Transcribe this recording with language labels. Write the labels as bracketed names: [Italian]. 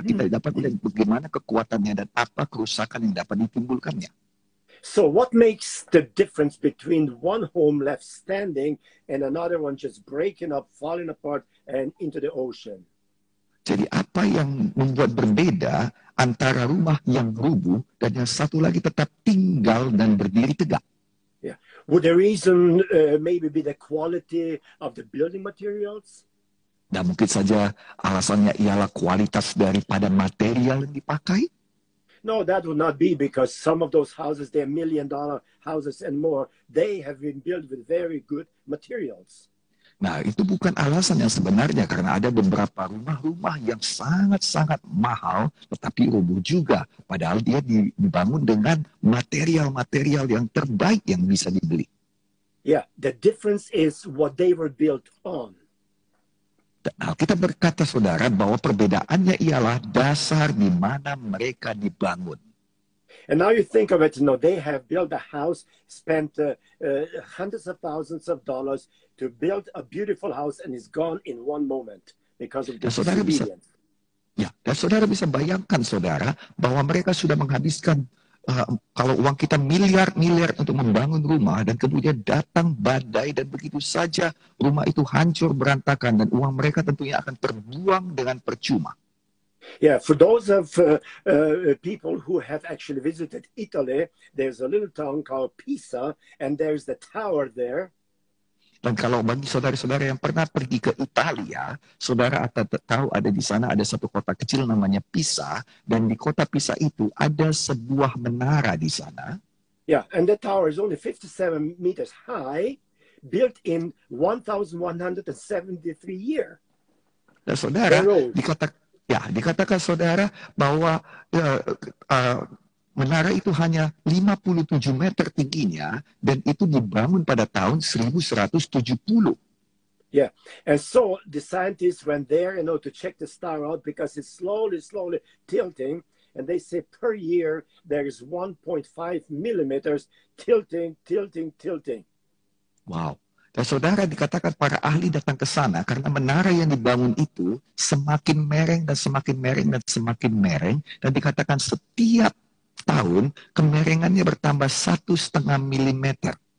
[Indonesian] Kita dapat melihat bagaimana kekuatannya dan apa kerusakan yang dapat ditimbulkannya. [English] So what makes the difference between one home left standing and another one just breaking up, falling apart, and into the ocean? [Indonesian] Jadi apa yang membuat berbeda antara rumah yang rubuh dan yang satu lagi tetap tinggal dan berdiri tegak? [English] Yeah. Would the reason maybe be the quality of the building materials? [Indonesian] Dan mungkin saja alasannya ialah kualitas daripada material yang dipakai. [English] No, that would not be because some of those houses, they're million-dollar houses and more, they have been built with very good materials. [Indonesian] Nah, itu bukan alasan yang sebenarnya, karena ada beberapa rumah-rumah yang sangat-sangat mahal, tetapi rubuh juga. Padahal dia dibangun dengan material-material yang terbaik yang bisa dibeli. [English] Yeah, the difference is what they were built on. [Indonesian] Nah, kita berkata, saudara, bahwa perbedaannya ialah dasar di mana mereka dibangun. [English] And now you think of it, you know, they have built a house, spent hundreds of thousands of dollars to build a beautiful house and it's gone in one moment because of the disobedience. [Indonesian] Ya, dan saudara bisa bayangkan, saudara, bahwa mereka sudah menghabiskan kalau uang kita miliar-miliar untuk membangun rumah dan kemudian datang badai dan begitu saja rumah itu hancur berantakan dan uang mereka tentunya akan terbuang dengan percuma. [English] Yeah, for those of people who have actually visited Italy, there's a little town called Pisa and there's the tower there. [Indonesian] Dan kalau bagi saudara-saudara yang pernah pergi ke Italia, saudara akan tahu ada di sana ada satu kota kecil namanya Pisa, dan di kota Pisa itu ada sebuah menara di sana. [English] Yeah, and the tower is only 57 meters high, built in 1173 year. [Indonesian] Dan saudara, dikatakan saudara bahwa menara itu hanya 57 meter tingginya dan itu dibangun pada tahun 1170. [English] Yeah. And so the scientists went there, you know, to check the star out because it's slowly, slowly tilting and they say per year there is 1.5 millimeters tilting, tilting, tilting. [Indonesian] Wow. Dan saudara, dikatakan para ahli datang ke sana karena menara yang dibangun itu semakin mereng dan semakin mereng dan semakin mereng dan dikatakan setiap tahun kemerengannya bertambah 1,5 milimeter.